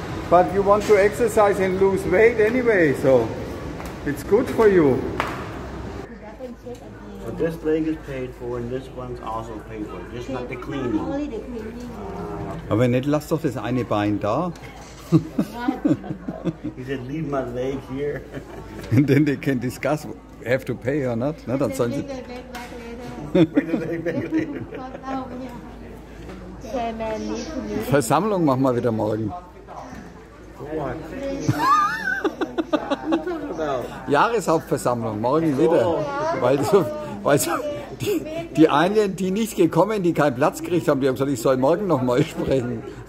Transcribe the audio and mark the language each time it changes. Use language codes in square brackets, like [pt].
[en] But you want to exercise and lose weight anyway, so it's good for you. So this leg is paid for and this one's also paid for, just not the cleaning. Only the cleaning. [de] Aber nicht, lass doch das eine Bein da. [en] He said, leave my leg here. And then they can discuss, have to pay or not. [de] No, dann sollen sie. [en] Bring the leg back later. [de] Versammlung machen wir wieder morgen. [en] What? [de] Jahreshauptversammlung, morgen wieder. Weil so die eine, die nicht gekommen, die keinen Platz gekriegt haben, die haben gesagt, ich soll morgen nochmal sprechen.